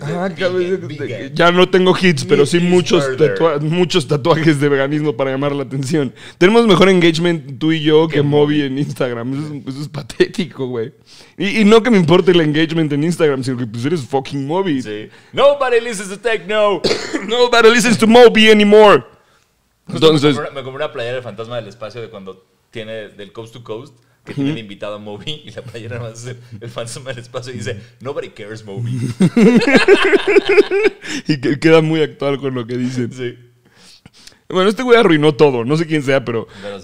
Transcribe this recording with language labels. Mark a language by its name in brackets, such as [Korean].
[English] Vegan. [Spanish] Ya no tengo hits, pero sí muchos tatuajes de veganismo para llamar la atención. Tenemos mejor engagement tú y yo que Moby en Instagram. Eso es patético, güey. Y no que me importe el engagement en Instagram, sino que pues eres fucking Moby. [English] Sí. Nobody listens to techno. Nobody listens to Moby anymore. [Spanish] Entonces, me compré una playera del Fantasma del Espacio de cuando tiene del Coast to Coast, que tiene de invitado a Moby, y la playera va a ser el Fantasma del Espacio y dice, [English] nobody cares, Moby. [Spanish] Y que queda muy actual con lo que dicen. Sí. Bueno, este güey arruinó todo, no sé quién sea, pero sí.